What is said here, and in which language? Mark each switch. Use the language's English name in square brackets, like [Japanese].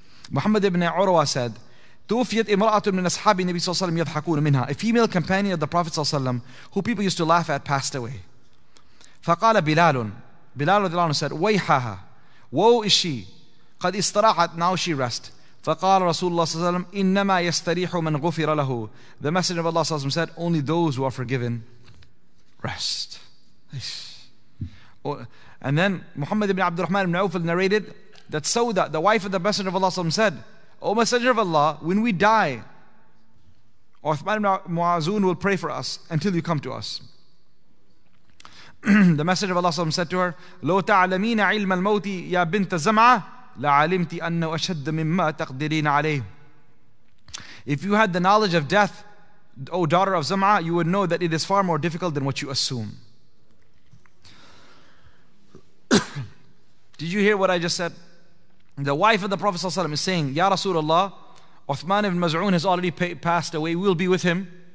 [English] Muhammad ibn Urwa said, [Arabic] توفيت امرأة من أصحاب النبي صلى الله عليه وسلم يضحكون منها. [English] A female companion of the Prophet صلى الله عليه وسلم, who people used to laugh at, passed away. [Arabic] فقال بلال, بلال رضي الله عنه said, ويحها, [English] woe is she, [Arabic] قد استراحت, [English] now she rest. [Arabic] فقال رسول الله صلى الله عليه وسلم, إنما يستريح من غفر له. [English] The Messenger of Allah صلى الله عليه وسلم said, only those who are forgiven rest. And then Muhammad ibn Abdul Rahman ibn Awf narrated that Sauda, the wife of the Messenger of Allah صلى الله عليه وسلم said, O Messenger of Allah, when we die, Uthman ibn Mu'azun will pray for us until you come to us. The Messenger of Allah said to her, [Arabic] لو تعلمين علم الموت يا بنت زمعة لعلمت أنه أشد مما تقدرين عليه. [English] If you had the knowledge of death, O daughter of Zam'a, you would know that it is far more difficult than what you assume. Did you hear what I just said? The wife of the Prophet ﷺ is saying, Ya Rasulullah, Uthman ibn Maz'un has already passed away. We'll be with him.